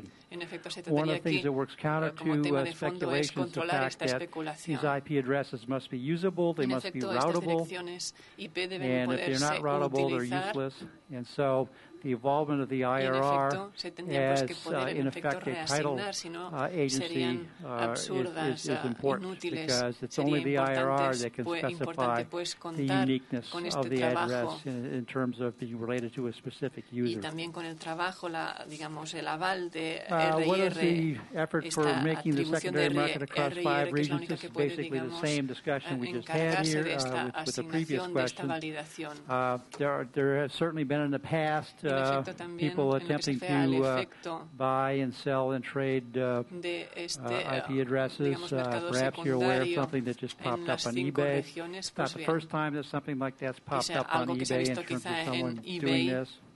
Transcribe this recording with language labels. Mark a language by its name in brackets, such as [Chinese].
[Spanish] En efecto, se trataría aquí, como tema de fondo, es controlar esta especulación. [English] These IP addresses must be usable, they must be routable, and if they're not routable, they're useless. And so the involvement of the IRR as, in effect, a title agency is important because it's only the IRR that can specify the uniqueness of the address in terms of being related to a specific user. [Spanish] también con el trabajo, la, digamos, el aval de RIR, esta atribución de RIR, que es la única que puede, digamos, encargarse de esta asignación, de esta validación. [English] There has certainly been in the past people attempting to buy and sell and trade IP addresses. Perhaps you're aware of something that just popped up on eBay. It's not the first time that something like that's popped up on eBay in terms of someone doing this.